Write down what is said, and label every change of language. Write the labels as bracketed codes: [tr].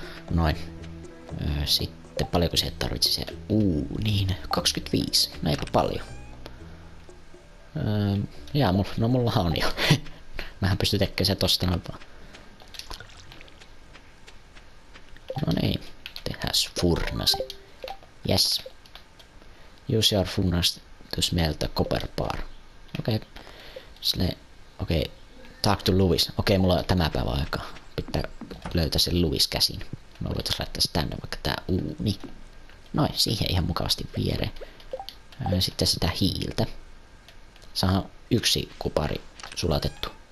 [fi] Noin. Sitten paljonko se tarvitsi se niin 25. No eipä paljon. Jaa, no mullahan on jo. Mähän pystyn tekemään se tosta noin vaan. No niin, tehdään furnasi. [en] Yes. Use your furnace to smelt the copper bar. Okei. Okay. Sille, okei. Okay. Talk to Louis. [fi] Okei, mulla on tämä päivä aika. Pitää löytää sen Louis käsin. Mä voitais laittaa se tänne vaikka tää uuni. Noin, siihen ihan mukavasti viere. Sitten sitä hiiltä. Saadaan yksi kupari sulatettu.